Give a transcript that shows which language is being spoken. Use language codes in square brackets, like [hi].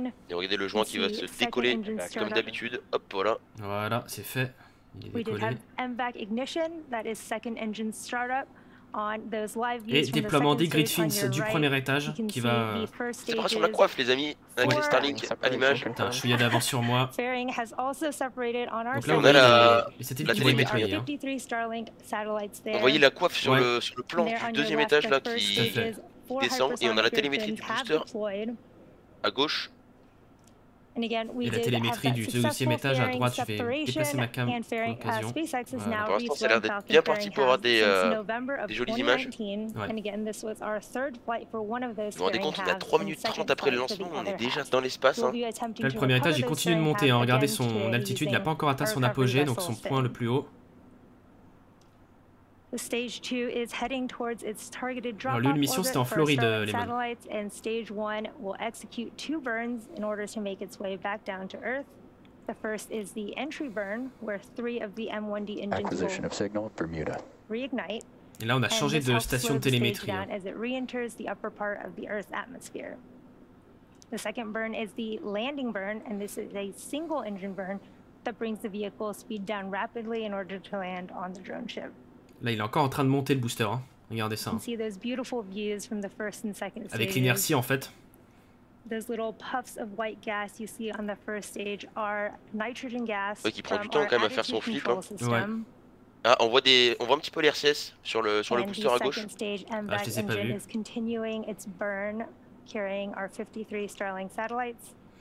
[fr] Et regardez le joint qui va se décoller comme d'habitude. Hop, voilà. Voilà, c'est fait. Il est décollé. [en] MVAC ignition, that is second engine startup on those live views. [fr] Et déploiement des grid fins du premier étage qui va. C'est pas sur la coiffe, les amis. Avec les Starlink à l'image. Putain, je suis à l'avant sur moi. Donc là, on a la télémétrie. Hein. Vous voyez la coiffe sur, ouais, sur le plan du deuxième étage là qui descend, et on a la télémétrie du booster à gauche. Et la télémétrie du deuxième étage à droite, je vais déplacer ma cam pour l'occasion. Voilà. Pour l'instant, ça a l'air d'être bien parti pour avoir des jolies images. Ouais. Vous vous rendez compte, on est à 3 minutes 30 après le lancement, on est déjà dans l'espace. Hein. Là, le premier étage, il continue de monter. Hein. Regardez son altitude, il n'a pas encore atteint son apogée, donc son point le plus haut. [en] Stage 2 is heading towards its targeted drop. [fr] Alors, l'une mission, c'était en Floride, les [en] satellites, and stage 1 will execute two burns in order to make its way back down to Earth. The first is the entry burn, where three of the M1D engines acquisition of signal Bermuda reignite. [fr] Et là, on a changé de station de télémétrie, hein. [en] As it re-enters the upper part of the Earth's atmosphere. The second burn is the landing burn, and this is a single engine burn that brings the vehicle speed down rapidly in order to land on the drone ship. [fr] Là, il est encore en train de monter le booster. Hein. Regardez ça. Hein. Avec l'inertie, en fait. [en] Those little puffs of white gas you see on the first stage are nitrogen gas. [fr] Ouais, qui prend du temps quand même à faire son flip. Hein. Ouais. Ah, on voit un petit peu l'RCS sur le booster à gauche. Stage, ah, je les ai pas vus. [en] Is continuing its burn, carrying our 53 Starlink satellites.